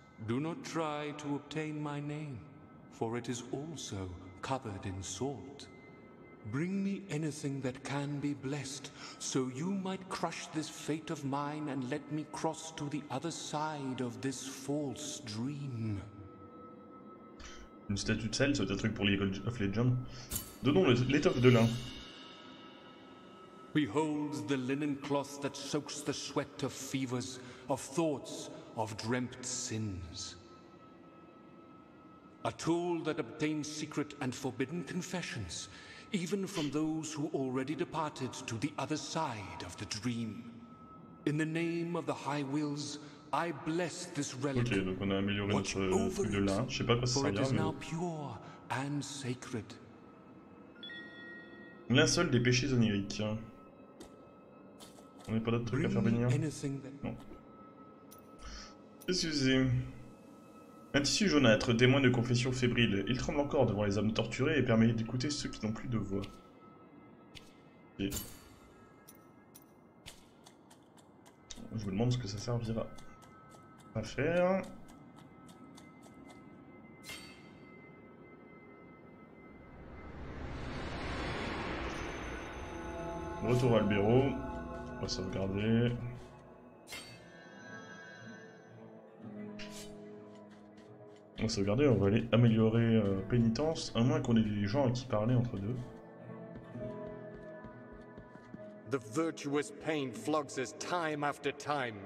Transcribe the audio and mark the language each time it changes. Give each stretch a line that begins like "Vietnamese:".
English: Do not try to obtain my name, for it is also covered in salt. Bring me anything that can be blessed, so you might crush this fate of mine and let me cross to the other side of this false dream.
French: Une statue de sel, c'est un truc pour League of Legends. Donnons l'étoffe de lin.
English: Behold the linen cloth that soaks the sweat of fevers, of thoughts, of dreamt sins. A tool that obtains secret and forbidden confessions, even from those who already departed to the other side of the dream. In the name of the High Wills, I bless this relic.
French: Ok, donc on a amélioré notre truc de lin. Je sais pas quoi ça sert à rien, mais...
English: For it is now pure and sacred.
French: Lin seul des péchés oniriques. On n'est pas d'autre truc à faire venir. Non. Excusez. Un tissu jaunâtre, témoin de confessions fébriles. Il tremble encore devant les âmes torturées et permet d'écouter ceux qui n'ont plus de voix. Et... Je me demande ce que ça servira à faire. Retour à Albero. On va sauvegarder. On va sauvegarder, on va aller améliorer pénitence, à moins qu'on ait des gens à qui parler entre deux.
English: The virtuous pain flogs us time after time.